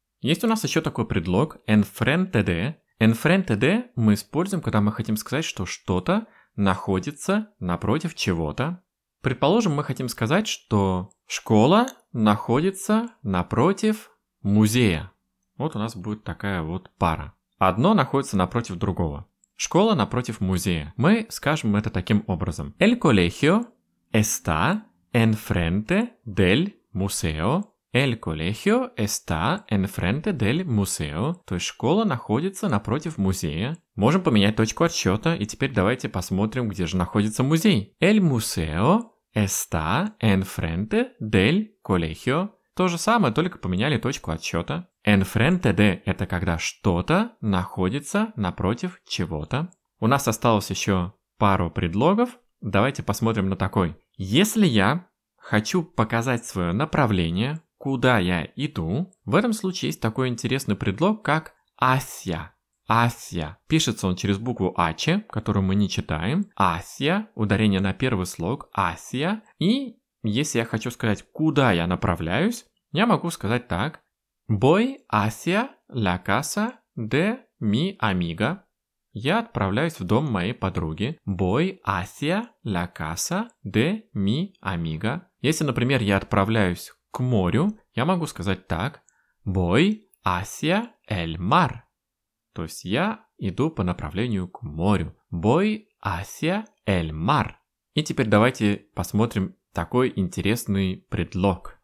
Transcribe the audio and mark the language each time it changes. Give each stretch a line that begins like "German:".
Russian: Есть у нас еще такой предлог enfrente de. Enfrente de мы используем, когда мы хотим сказать, что что-то находится напротив чего-то. Предположим, мы хотим сказать, что школа находится напротив музея. Вот у нас будет такая вот пара. Одно находится напротив другого. Школа напротив музея. Мы скажем это таким образом.
Spanish: El colegio está enfrente del museo. El colegio está enfrente del museo.
Russian: То есть школа находится напротив музея. Можем поменять точку отсчета. И теперь давайте посмотрим, где же находится музей.
Spanish: El museo está enfrente del colegio.
Russian: То же самое, только поменяли точку отсчета. Enfrente de – это когда что-то находится напротив чего-то. У нас осталось еще пару предлогов. Давайте посмотрим на такой. Если я хочу показать свое направление, куда я иду, в этом случае есть такой интересный предлог, как hacia.
Spanish: Hacia.
Russian: Пишется он через букву H, которую мы не читаем.
Spanish: Hacia.
Russian: Ударение на первый слог.
Spanish: Hacia.
Russian: И если я хочу сказать, куда я направляюсь, я могу сказать так.
Spanish: Voy hacia la casa de mi amiga.
Russian: Я отправляюсь в дом моей подруги.
Spanish: Voy hacia la casa de mi amiga.
Russian: Если, например, я отправляюсь к морю, я могу сказать так.
Spanish: Voy hacia el mar.
Russian: То есть я иду по направлению к морю.
Spanish: Voy hacia el mar.
Russian: И теперь давайте посмотрим такой интересный предлог.